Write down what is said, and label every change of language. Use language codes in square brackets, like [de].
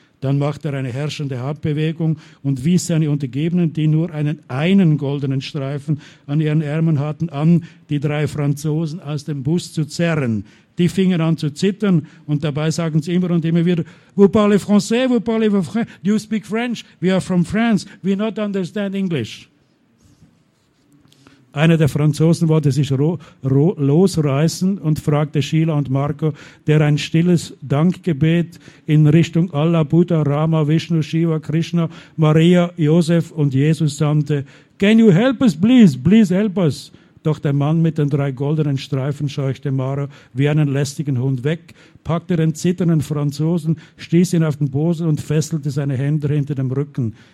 [de] Dann machte er eine herrschende Handbewegung und wies seine Untergebenen, die nur einen goldenen Streifen an ihren Ärmeln hatten, an, die 3 Franzosen aus dem Bus zu zerren. Die fingen an zu zittern und dabei sagen sie immer und immer wieder, [fr] «Vous parlez français, vous parlez français, [en] do you speak French? We are from France, we not understand English.» [de] Einer der Franzosen wollte sich losreißen und fragte Sheila und Marco, der ein stilles Dankgebet in Richtung Allah, Buddha, Rama, Vishnu, Shiva, Krishna, Maria, Josef und Jesus sandte. [en] «Can you help us, please? Please help us!» [de] Doch der Mann mit den 3 goldenen Streifen scheuchte Mara wie einen lästigen Hund weg, packte den zitternden Franzosen, stieß ihn auf den Boden und fesselte seine Hände hinter dem Rücken.